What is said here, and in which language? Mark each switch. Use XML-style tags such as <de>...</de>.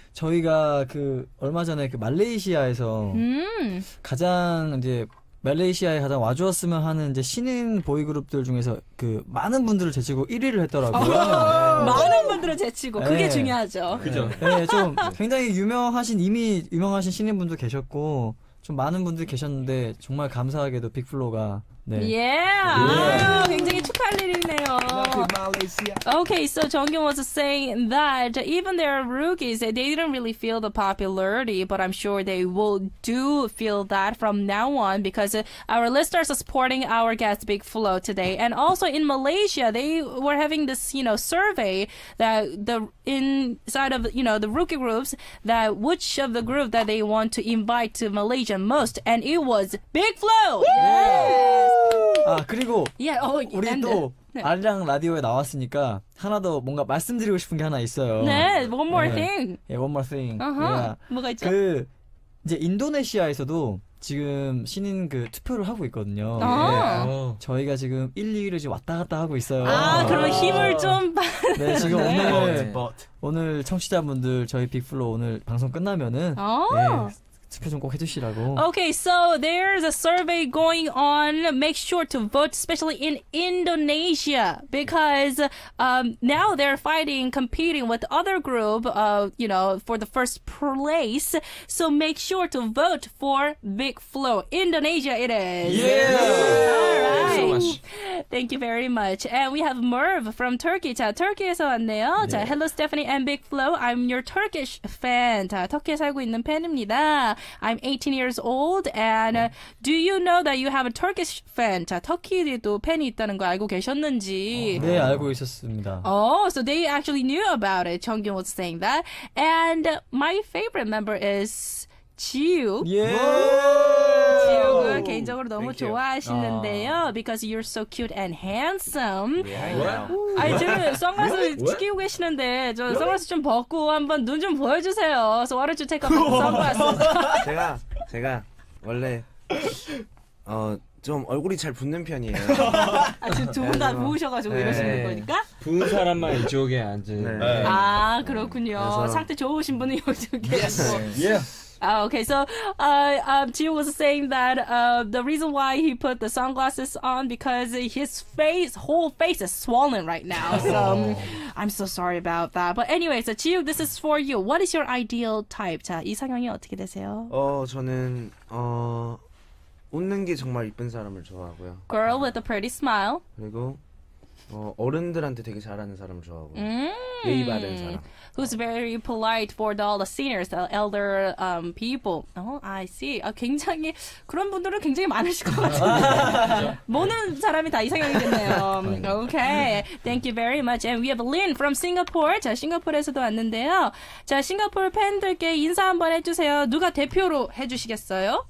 <ko>저희가 그 얼마 전에 그 말레이시아에서 가장 이제 말레이시아에 가장 와주었으면 하는 이제 신인 보이그룹들 중에서 그 많은 분들을 제치고 1위를 했더라고요. 네. 많은 분들을 제치고 네. 그게 중요하죠. 그죠. 네, 좀 굉장히 유명하신 신인분도 계셨고 좀 많은 분들이 계셨는데 정말 감사하게도 빅플로가 네. 예. Yeah. 아, 굉장히 축하할 일이네요.</ko> <en>Okay, so Jeongkyun was saying that even their rookies, they didn't really feel the popularity, but I'm sure they will do feel that from now on because our listeners are supporting our guest BIGFLO today. And also in Malaysia, they were having this, you know, survey that the inside of, you know, the rookie groups that which of the group that they want to invite to Malaysia most, and it was BIGFLO.</en> <ko>Yeah. 아, 그리고 yeah, oh, 우리</ko> <en>and,</en> <ko>또 네. 아리랑 라디오에 나왔으니까 하나 더 뭔가 말씀드리고 싶은 게 하나 있어요.</ko> <en>네, one more 네. thing. 예, 네, one more thing.</en> <ko>Uh-huh. Yeah. 뭐가 있죠? 그 이제 인도네시아에서도 지금 신인 그 투표를 하고 있거든요. 아~ 네. 저희가 지금 1, 2위를 지금 왔다 갔다 하고 있어요. 아, 그럼 아~ 힘을 좀 받. 네, 지금 네. 오늘 청취자분들 저희 빅플로 오늘 방송 끝나면은. 아~ 네. 투표 좀 꼭 해주시라고.</ko> <en>Okay, so there's a survey going on. Make sure to vote, especially in Indonesia, because now they're fighting, competing with other group, you know, for the first place. So make sure to vote for BIGFLO. Indonesia it is. Yeah! Thank you so much. Thank you very much. And we have Merv from Turkey.</en> <ko>자, 터키에서 왔네요. 네.</ko> <en>자, Hello Stephanie and Big Flo. I'm your Turkish fan.</en> <ko>자, 터키에 살고 있는 팬입니다.</ko> <en>I'm 18 years old and do you know that you have a Turkish fan?</en> <ko>자, 터키에도 팬이 있다는 거 알고 계셨는지? 어, 네, 알고 있었습니다.</ko> <en>Oh, so they actually knew about it. 정경 was saying that. And my favorite member is 지욱. 예. Yeah.</en> <ko>지욱은 개인적으로 너무 Thank 좋아하시는데요.</ko> <en>Because you're so cute and handsome. Yeah,</en> <ko>I 지금 선글라스 끼고 계시는데 저 선글라스 좀 벗고 한번 눈 좀 보여주세요.</ko> <en>So why don't you take off the sunglasses?</en> <ko>제가 원래 좀 얼굴이 잘 붓는 편이에요. 아, 지금 두 분 다 부으셔가지고 네. 이러시는 거니까? 부은 사람만 이쪽에 앉은. 네. 아 그렇군요. 상태 좋으신 분은 이쪽에.</ko> <en>Yes. Okay, so Jiu was saying that the reason why he put the sunglasses on because his face, whole face is swollen right now. So I'm so sorry about that. But anyway, so Jiu, this is for you. What is your ideal type?</en> <ko>자, 이상형이 어떻게 되세요? 저는 웃는 게 정말 이쁜 사람을 좋아하고요.</ko> <en>Girl with a pretty smile.</en> <ko>그리고 어른들한테 되게 잘하는 사람을 좋아하고 예의 바른 사람.</ko> <en>Who's very polite for all the seniors, the elder people. Oh, I see.</en> <ko>굉장히 그런 분들은 굉장히 많으실 것 같은데. 모는 사람이 다 이상형이 됐네요.</ko> <en>Okay. Thank you very much. And we have Lynn from Singapore.</en> <ko>자, 싱가포르에서도 왔는데요. 자, 싱가포르 팬들께 인사 한번 해주세요. 누가 대표로 해주시겠어요?</ko>